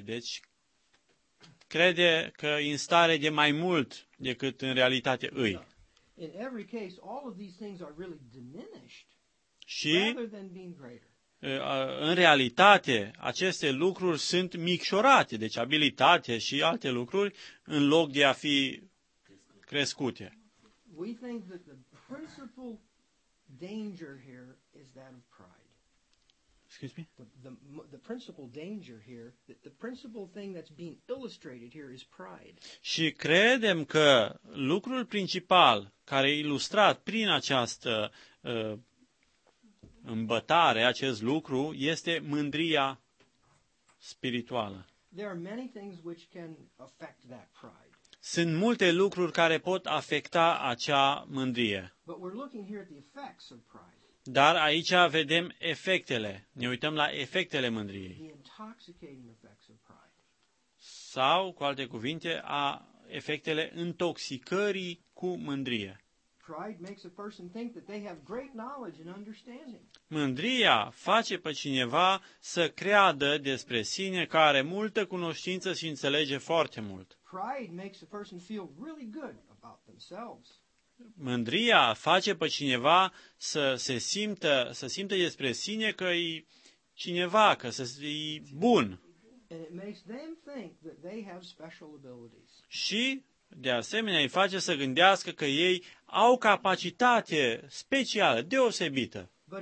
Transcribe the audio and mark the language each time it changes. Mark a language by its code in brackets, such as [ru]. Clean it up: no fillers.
[ro] Deci crede că e în stare de mai mult decât în realitate îi. [en] In every case, all of these things are really diminished, [ro] și, [en] rather than being greater. [ro] În realitate, aceste lucruri sunt micșorate, deci abilitate și alte lucruri, în loc de a fi crescute. [en] We think that the principal danger here is that of pride. Excuse me? The principal danger here, the principal thing that's being illustrated here is pride. [ro] Și credem că lucrul principal care e ilustrat prin această îmbătare, acest lucru, este mândria spirituală. [en] There are many things which can affect that pride. [ro] Sunt multe lucruri care pot afecta acea mândrie. [en] But we're looking here at the effects of pride. [ro] Dar aici vedem efectele. Ne uităm la efectele mândriei. [en] The intoxicating effects of pride. [ro] Sau, cu alte cuvinte, a efectele intoxicării cu mândrie. [en] Pride makes a person think that they have great knowledge and understanding. [ro] Mândria face pe cineva să creadă despre sine că are multă cunoștință și înțelege foarte mult. [en] Pride makes a person feel really good about themselves. [ro] Mândria face pe cineva să se simtă, să simtă despre sine că e cineva, că e bun. [en] And it makes them think that they have special abilities. [ro] Și de asemenea, îi face să gândească că ei au capacitate specială, deosebită.